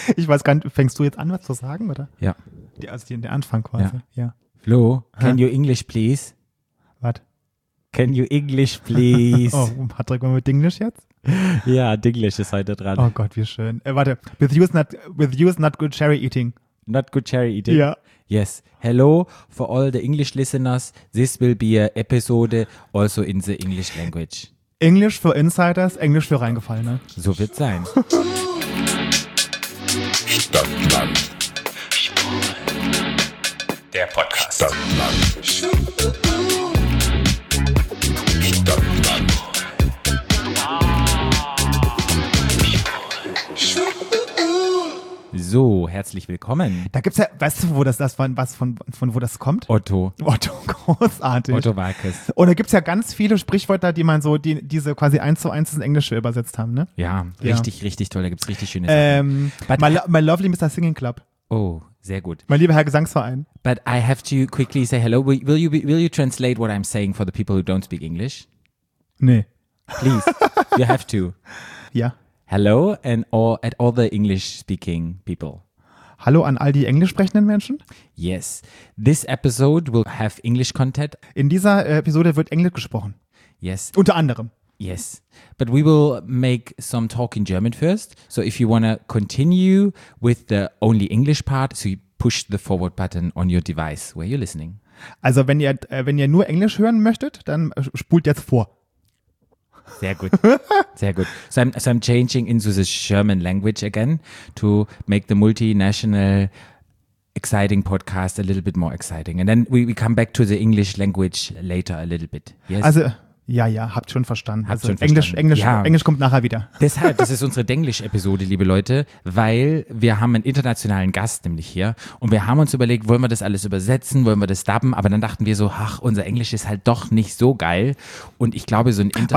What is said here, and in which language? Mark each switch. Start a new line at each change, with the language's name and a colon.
German: Ich weiß gar nicht, fängst du jetzt an, was zu sagen, oder? Ja. Also der Anfang quasi, ja.
English: Flo, can you English please? What? Can you English please?
German: Oh, Patrick, mal mit Englisch jetzt? Ja, Dinglish ist heute dran. Oh Gott, wie schön. Warte,
English: with you is not good cherry eating. Not good cherry eating.
German: Ja.
English: Yes. Hello for all the English listeners. This will be an episode also in the English language.
German: Englisch für Insiders, Englisch für Reingefallene. So wird's sein. Stadtland. Der Podcast. Stadtland. Stadtland. So, herzlich willkommen. Da gibt's ja, weißt du, wo das von wo das kommt? Otto. Otto, großartig. Otto Walkes. Und da gibt's ja ganz viele Sprichwörter, die man so, die diese quasi 1:1 ins Englische übersetzt haben, ne? Ja, richtig, richtig toll. Da gibt's richtig schöne Sachen.
English: My lovely Mr. Singing Club.
German: Oh, sehr gut. Mein lieber Herr Gesangsverein.
English: But I have to quickly say hello. Will you translate what I'm saying for the people who don't speak English?
German: Nee. Please, you have to. Ja.
English: Hello and all at all the English speaking people.
German: Hallo an all die englisch sprechenden Menschen.
English: Yes. This episode will have English content.
German: In dieser Episode wird Englisch gesprochen.
English: Yes.
German: Unter anderem.
English: Yes. But we will make some talk in German first. So if you want to continue with the only English part, so you push the forward button on your device where you're listening.
German: Also wenn ihr nur Englisch hören möchtet, dann spult jetzt vor. Sehr gut, sehr gut.
English: So I'm changing into the German language again to make the multinational exciting podcast a little bit more exciting. And then we come back to the English language later a little bit. Yes?
German: Also, ja, habt schon verstanden. Habt also schon verstanden. Englisch kommt nachher wieder. Deshalb, das ist unsere Denglisch-Episode, liebe Leute, weil wir haben einen internationalen Gast nämlich hier und wir haben uns überlegt, wollen wir das alles übersetzen, wollen wir das dubben, aber dann dachten wir so, ach, unser Englisch ist halt doch nicht so geil und ich glaube, so ein Interview.